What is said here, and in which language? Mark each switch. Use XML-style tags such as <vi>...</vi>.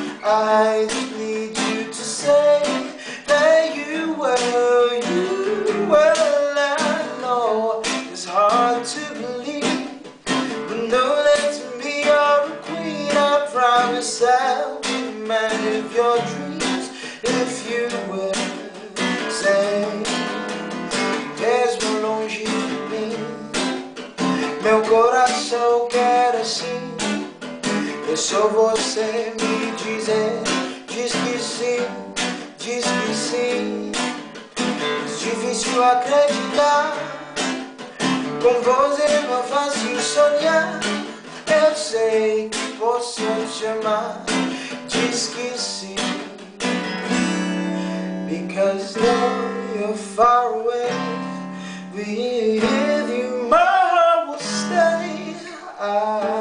<en>I need you to say that you will, I know it's hard to believe, but know that to me you're a queen. I promise I'll be the man of your dreams, if you will say.</en> <pt>Mais longe de mim, meu coração quer assim. É só você me dizer, diz que sim, diz que sim. É difícil acreditar, com você é mais fácil sonhar. Eu sei que posso chamar, diz que sim.</pt> <en>Because though you're far away, with you my heart will stay.</en>